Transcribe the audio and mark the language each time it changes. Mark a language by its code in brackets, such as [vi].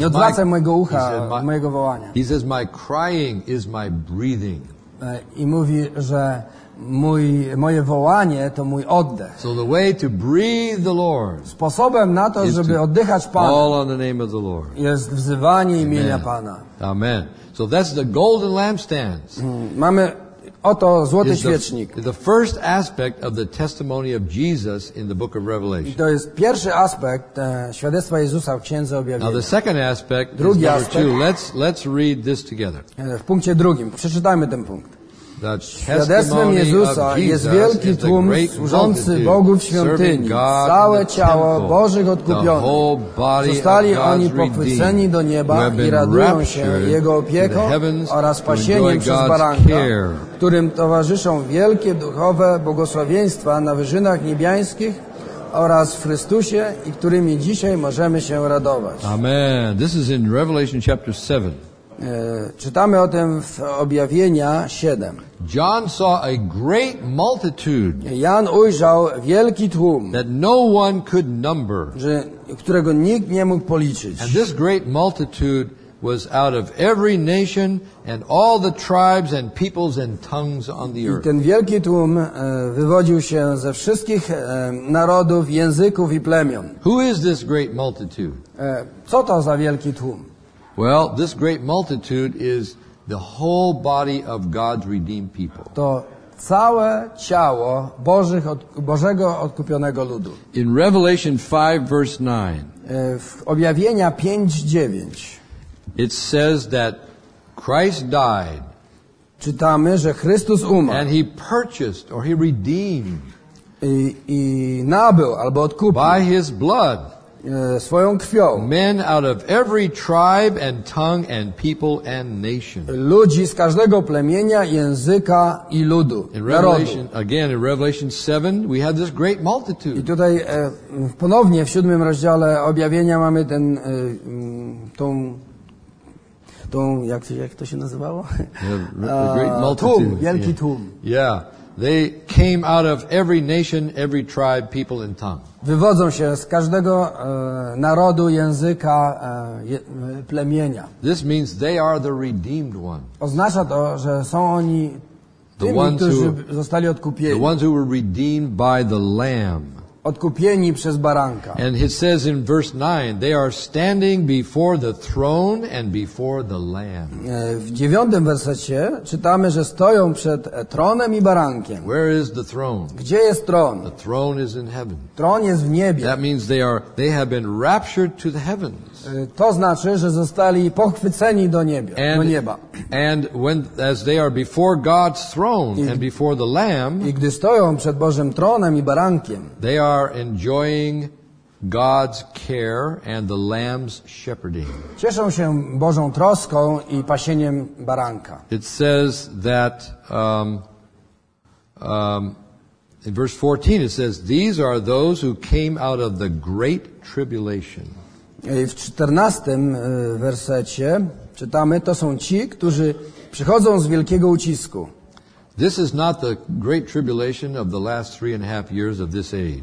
[pl] nie odwracaj mojego ucha na mojego wołania. [en] He says my crying is my breathing. [pl] I mówi, że moje wołanie to mój oddech. [en] So the way to breathe the Lord. [pl] Sposobem na to, żeby oddychać Panu. [en] Call on the name of the Lord. [pl] Jest wzywanie imienia Pana. [en] Amen. So that's the golden lampstands. [pl] Mamy oto złoty świecznik. [en] The first aspect of the testimony of Jesus in the book of Revelation. [pl] To jest pierwszy aspekt świadectwa Jezusa w Księdze Objawienia. [en] Now the second aspect, drugi is number two. Let's read this together. [pl] W punkcie drugim przeczytajmy ten punkt. Świadectwem Jezusa jest wielki tłum służący Bogu w świątyni. Całe ciało Bożych odkupionych. Zostali oni pochwyceni do nieba i radują się Jego opieką oraz pasieniem przez baranka, którym towarzyszą wielkie duchowe błogosławieństwa na wyżynach niebiańskich oraz w Chrystusie, i którymi dzisiaj możemy się radować. Amen. [en] This is in Revelation chapter 7. [pl] Czytamy o tym w Objawienia 7. [en] John saw a great multitude. [pl] Jan ujrzał wielki tłum. [en] That no one could number. [pl] Którego nikt nie mógł policzyć. [en] And this great multitude was out of every nation and all the tribes and peoples and tongues on the earth. [pl] I ten wielki tłum wywodził się ze wszystkich narodów, języków i plemion. [en] Who is this great multitude? [pl] Co to za wielki tłum? [en] Well, this great multitude is the whole body of God's redeemed people. [pl] To całe ciało Bożego odkupionego ludu. [en] In Revelation 5 verse 9. [pl] W Objawienia 5:9. [en] It says that Christ died. [pl] Czytamy, że Chrystus umarł. [en] And he purchased or he redeemed. [pl] I nabył albo odkupił. [en] By his blood. [pl] Swoją krwią. [en] Men out of every tribe and tongue and people and nation. [pl] Ludzi z każdego plemienia, języka i ludu. [en] Again, in Revelation 7, we have this great multitude. [pl] I tutaj ponownie w 7 rozdziale Objawienia mamy ten tą jak to się nazywało? [en] Great multitude. [pl] Tłum, wielki tłum. [en] Yeah. They came out of every nation, every tribe, people and tongue. [pl] Wywodzą się z każdego narodu, języka, plemienia. [en] This means they are the redeemed one. [pl] Oznacza to, że są oni tymi, którzy zostali odkupieni. [en] The ones who were redeemed by the Lamb. [pl] odkupieni przez baranka. [en] And it says in verse 9, they are standing before the throne and before the Lamb. [pl] W 9 wersecie czytamy, że stoją przed tronem i barankiem. [en] Where is the throne? [pl] Gdzie jest tron? [en] The throne is in heaven. [pl] Tron jest w niebie. [en] That means they have been raptured to the heavens. [pl] To znaczy, że zostali pochwyceni do nieba. [en] And, [pl] do nieba. [en] And when, as they are before God's throne and before the Lamb, [pl] i gdy stoją przed Bożym tronem i barankiem, [en] they are enjoying God's care and the Lamb's shepherding. [pl] Cieszą się Bożą troską i pasieniem baranka. [en] It says that in verse 14 it says, these are those who came out of the great tribulation. [pl] I w 14 wersecie czytamy, to są ci, którzy przychodzą z wielkiego ucisku. [en] This is not the great tribulation of the last 3.5 years of this age.